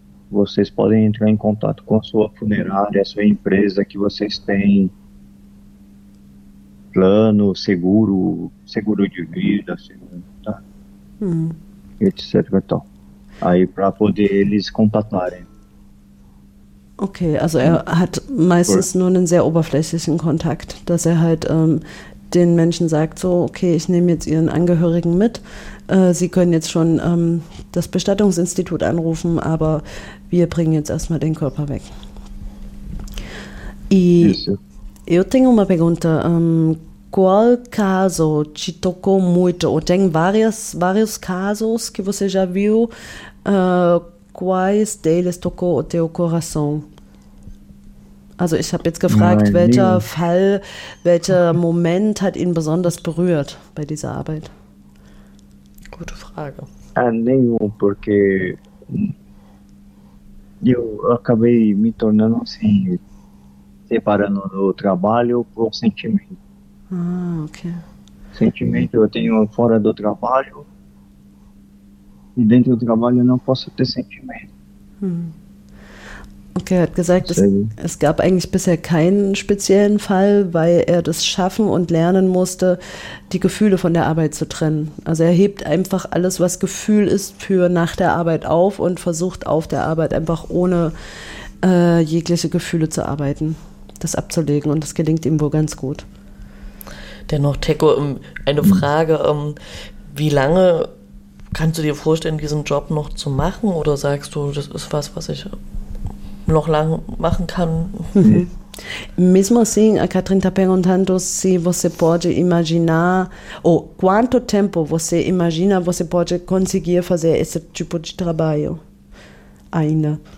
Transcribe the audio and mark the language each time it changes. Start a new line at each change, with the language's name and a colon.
Portuguese: Vocês podem entrar em contato com a sua funerária, a sua empresa, que vocês têm plano, seguro de vida, etc. Então, aí para poder eles contatarem.
German: Okay, also er hat meistens nur einen sehr oberflächlichen Kontakt, dass er halt den Menschen sagt, so, okay, ich nehme jetzt Ihren Angehörigen mit, Sie können jetzt schon das Bestattungsinstitut anrufen, aber wir bringen jetzt erstmal den Körper weg.
Portuguese: Eu tenho uma pergunta, qual caso te tocou muito? Ou tem vários casos que você já viu, quais deles tocou o teu coração?
German: Also ich habe jetzt gefragt, welcher Moment hat ihn besonders berührt bei dieser Arbeit? Gute Frage.
Portuguese: Nenhum, porque eu acabei me tornando assim, separando do trabalho pro sentimento. Okay. Sentimento eu tenho fora do trabalho, e dentro do trabalho eu não posso ter sentimento.
German: Okay, er hat gesagt, es gab eigentlich bisher keinen speziellen Fall, weil er das schaffen und lernen musste, die Gefühle von der Arbeit zu trennen. Also er hebt einfach alles, was Gefühl ist, für nach der Arbeit auf und versucht auf der Arbeit einfach ohne jegliche Gefühle zu arbeiten, das abzulegen. Und das gelingt ihm wohl ganz gut. Dennoch, Teko, eine Frage, wie lange... Kannst du dir vorstellen, diesen Job noch zu machen? Oder sagst du, das ist was, was ich noch lang machen kann?
Portuguese: Mesmo assim, a Katrin está perguntando se você pode imaginar ou quanto tempo você imagina você pode conseguir fazer esse tipo de trabalho ainda.